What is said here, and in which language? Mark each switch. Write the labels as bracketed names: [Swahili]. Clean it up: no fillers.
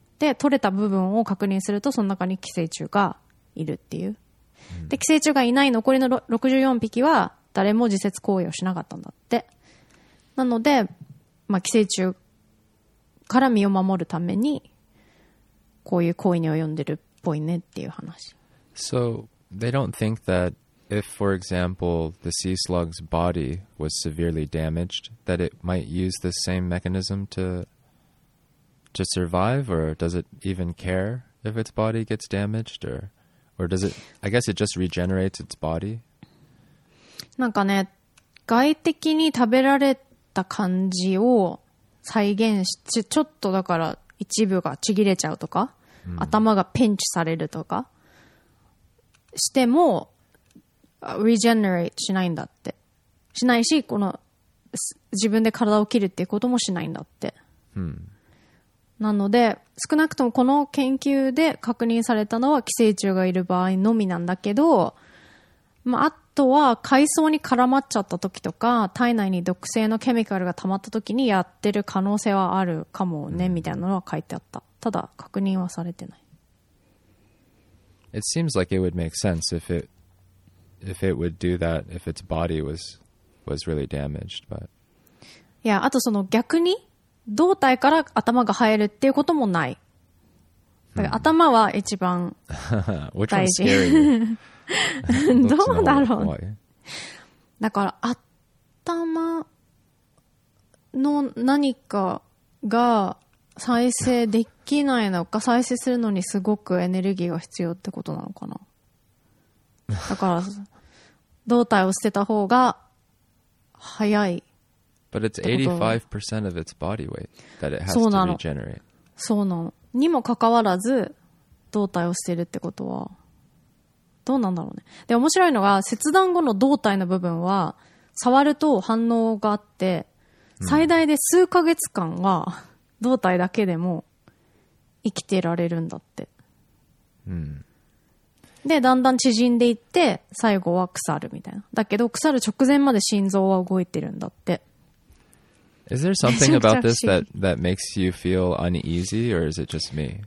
[Japanese] で、取れた部分を確認するとその中に寄生虫がいるっていう、で、寄生虫がいない残りの64匹は誰も自殺行為をしなかったんだって。なので、まあ、寄生虫から身を守るためにこういう行為に及んでるっぽいねっていう話。 [English] So they don't think that if, for example, the sea slug's body was severely damaged, that it might use the same mechanism to survive? Or does it even care if its body gets damaged? Or does it, I guess it just regenerates its body? [Japanese] なんかね、外的に食べられた感じを再現して、ちょっとだから一部がちぎれちゃうとか、うん、頭がピンチされるとかしても、regenerate しないんだって。しないし、この自分で体を切るっていうこともしないんだって。うん、なので、少なくともこの研究で確認されたのは寄生虫がいる場合のみなんだけど、まあ、あとは海藻に絡まっちゃった時とか体内に毒性のケミカルが溜まった時にやってる可能性はあるかもね、うん、みたいなのは書いてあった。ただ確認はされてない。 [English] It seems like it would make sense if it would do that if its body was really damaged, but [Japanese] yeah, あとその逆に胴体から頭が生えるっていうこともない。だから頭は一番大事。 [English] Which one's scary? [Japanese] どうだろう。だから頭の何かが再生できないのか、再生するのにすごくエネルギーが必要ってことなのかな。だから胴体を捨てた方が早い。 [English] But it's 85% of its body weight that it has to regenerate. [Japanese] そうなの。にもかかわらず胴体を捨てるってことは。どうなんだろうね。で、面白いのが、切断後の胴体の部分は、触ると反応があって、最大で数ヶ月間は、胴体だけでも生きてられるんだって。うん。で、だんだん縮んでいって、最後は腐るみたいな。だけど、腐る直前まで心臓は動いてるんだって。 [English] Is there something about this that makes you feel uneasy, or is it just me?